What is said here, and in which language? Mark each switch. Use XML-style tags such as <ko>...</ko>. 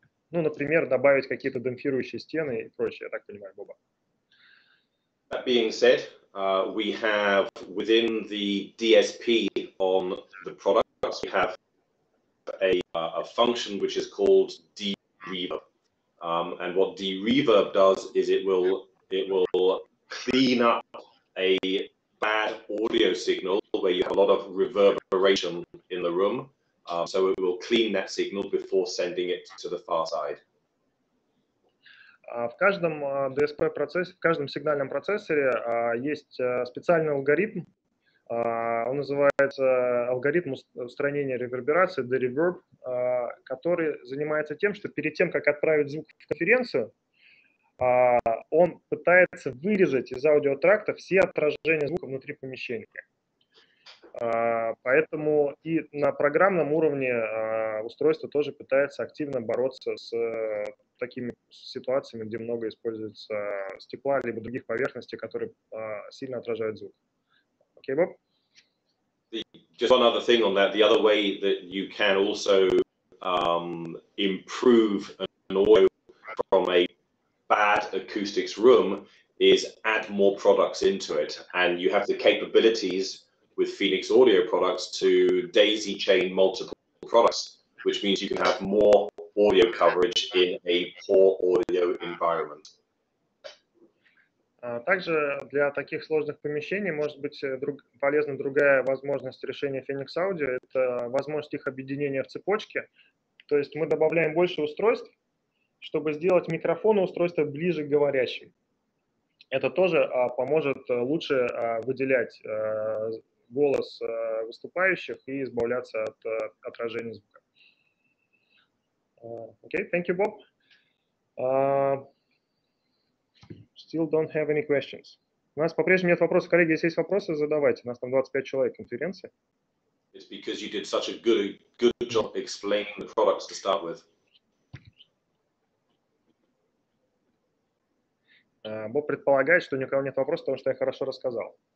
<ru>Ну, например, добавить какие-то демпфирующие стены и прочее, я так понимаю, Боба.</ru> <en>That being said, we have within the DSP on the products, we have a function which is called D-Reverb. And what D-Reverb does is it will clean up a bad audio signal where you have a lot of reverberation in the room. So it will clean that signal before sending it to the far side.</en> <ru>В каждом DSP процессе, в каждом сигнальном процессоре есть специальный алгоритм. Он называется алгоритм устранения реверберации, the reverb, который занимается тем, что перед тем, как отправить звук в конференцию, он пытается вырезать из аудиотракта все отражения звука внутри помещения. Поэтому и на программном уровне устройство тоже пытается активно бороться с такими ситуациями, где много используется стекла либо других поверхностей, которые сильно отражают звук.</ru> <en>Okay, Bob? Just one other thing on that. The other way that you can also improve an audio from a bad acoustics room is add more products into it. And you have the capabilities with Phoenix Audio products to daisy chain multiple products, which means you can have more audio coverage in a poor audio environment.</en> <ru>Также для таких сложных помещений может быть полезна другая возможность решения Phoenix Audio. Это возможность их объединения в цепочке. То есть мы добавляем больше устройств, чтобы сделать микрофоны устройства ближе к говорящим. Это тоже поможет лучше выделять голос выступающих и избавляться от отражения звука.</ru> <en>Okay, thank you, Bob. Still don't have any questions.</en> <ru>У нас по-прежнему нет вопросов. Коллеги, если есть вопросы, задавайте. У нас там 25 человек конференции.</ru> <en>It's because you did such a good job explaining the products to start with.</en> <ru>Боб предполагает, что никого нет вопросов, потому что я хорошо рассказал.</ru>